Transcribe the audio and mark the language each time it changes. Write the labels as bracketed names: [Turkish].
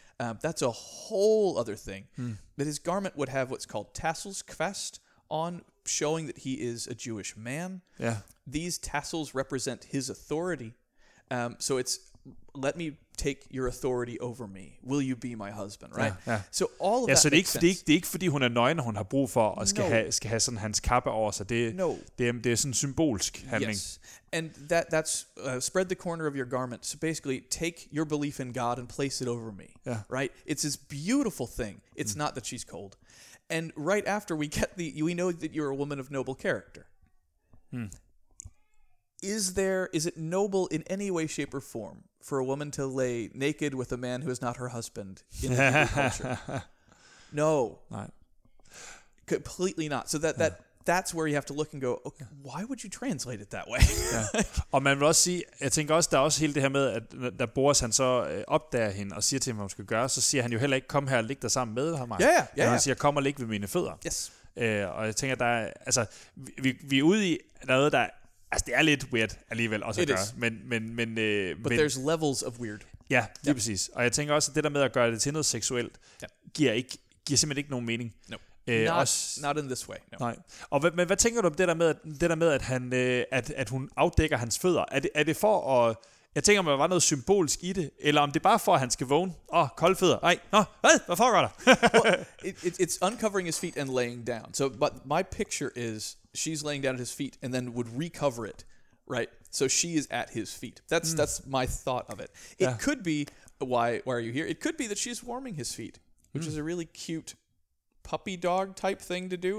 [English] That's a whole other thing. Mm. But his garment would have what's called tassels kvest on, showing that he is a Jewish man. Yeah. These tassels represent his authority. So it's, let me take your authority over me. Will you be my husband, right? [Danish] Ja, ja. [English] So all of, [Danish] ja, [English] that, [Danish] så det er ikke fordi hun er nøgen, hun har brug for at skal have sådan hans kappe over sig. Det er sådan en symbolsk handling. [English] Yes. And that's spread the corner of your garment. So basically take your belief in God and place it over me. [Danish] Ja. [English] Right? It's this beautiful thing. It's not that she's cold. And right after we know that you're a woman of noble character. Mm. Is it noble in any way, shape, or form for a woman to lay naked with a man who is not her husband in the culture? No. Not. Completely not. So that's where you have to look and go, okay, why would you translate it that way? Yeah. [Danish] Og man vil også sige, jeg tænker også, der er også hele det her med, at da Boaz han så opdager hende og siger til hende, hvad hun skal gøre, så siger han jo heller ikke, kom her og ligge dig sammen med ham. Ja, ja, ja. Han siger, kom og ligge ved mine fødder. Yes. Og jeg tænker, der er, altså, vi er ude i noget, der, altså, det er lidt weird alligevel også at gøre. Men [English] there's levels of weird. [Danish] Ja, lige præcis. Og jeg tænker også, at det der med at gøre det til noget seksuelt, giver simpelthen ikke nogen mening. [English] Not in this way. No. [Danish] Nej. Men hvad tænker du om det der med at han hun afdækker hans fødder? Er det for at, jeg tænker, om der var noget symbolisk i det, eller om det er bare for, at han skal vågne? Kolde fødder. Nej. Nå, hvad? Hvad foregår der? [English] it's uncovering his feet and laying down. So, but my picture is, she's laying down at his feet and then would recover it, right? So she is at his feet. That's my thought of it. It could be, why are you here? It could be that she's warming his feet, which is a really cute puppy dog type thing to do.